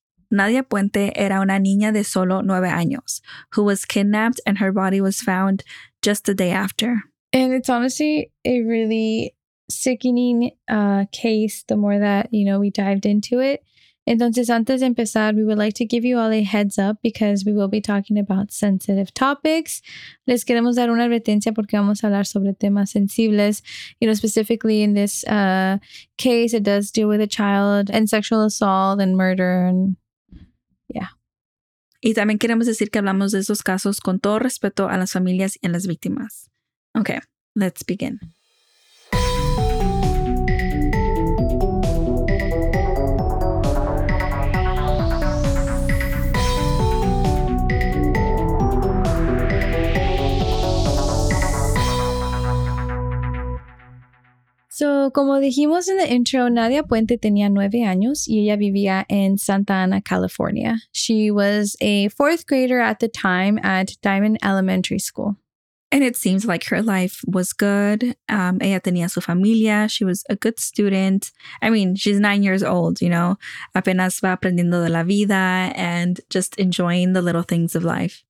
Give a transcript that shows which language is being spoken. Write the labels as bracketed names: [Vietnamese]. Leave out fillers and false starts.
[Spanish] Nadia Puente era una niña de solo 9 años [English] who was kidnapped, and her body was found just the day after. And it's honestly a really sickening case, the more that, you know, we dived into it. [Spanish] Entonces, antes de empezar, [English] we would like to give you all a heads up because we will be talking about sensitive topics. [Spanish] Les queremos dar una advertencia porque vamos a hablar sobre temas sensibles. [English] You know, specifically in this case, it does deal with a child and sexual assault and murder and, yeah. [Spanish] Y también queremos decir que hablamos de esos casos con todo respeto a las familias y a las víctimas. [English] Okay, let's begin. [Spanish] So, como dijimos [English] in the intro, [Spanish] Nadia Puente tenía 9 años y ella vivía en Santa Ana, California. [English] She was a fourth grader at the time at Diamond Elementary School. And it seems like her life was good. [Spanish] Ella tenía su familia. [English] She was a good student. I mean, she's 9 years old, you know, [Spanish] apenas va aprendiendo de la vida [English] and just enjoying the little things of life.